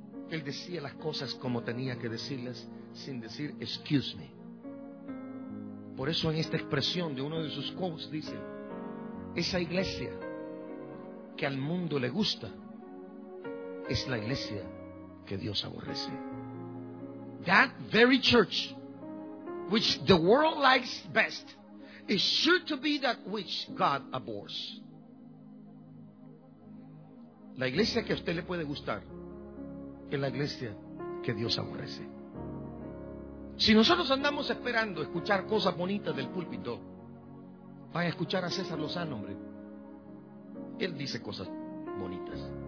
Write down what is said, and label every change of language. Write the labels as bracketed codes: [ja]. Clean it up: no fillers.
[es] Él decía las cosas como tenía que decirlas, sin decir, [en] excuse me. [es] Por eso en esta expresión de uno de sus quotes dice, esa iglesia que al mundo le gusta, es la iglesia que Dios aborrece. [en] That very church which the world likes best is sure to be that which God abhors. [es] La iglesia que a usted le puede gustar es la iglesia que Dios aborrece. Si nosotros andamos esperando escuchar cosas bonitas del púlpito, van a escuchar a César Lozano, hombre. Él dice cosas bonitas.